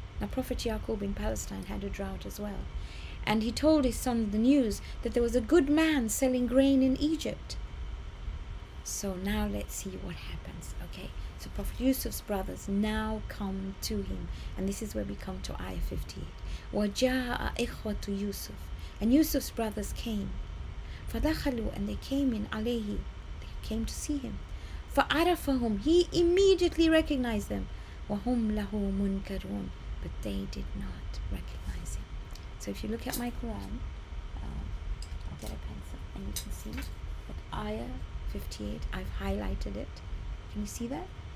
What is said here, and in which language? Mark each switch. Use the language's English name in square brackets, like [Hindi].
[English] Now Prophet Yaqub in Palestine had a drought as well. And he told his son the news that there was a good man selling grain in Egypt. So now let's see what happens. Okay, so Prophet Yusuf's brothers now come to him. And this is where we come to Ayah 58. [Arabic] وَجَاءَ إِخْوَةُ Yusuf. [English] And Yusuf's brothers came. [Arabic] فَدَخَلُوا [English] And they came in [Arabic] عَلَيْهِ [English] came to see him. [Arabic] فَعَرَفَهُمْ [English] He immediately recognized them. [Arabic] وَهُمْ لَهُ مُنْكَرُونَ [English] But they did not recognize him. So if you look at my Quran, I'll get a pencil, and you can see that Ayah 58, I've highlighted it. Can you see that?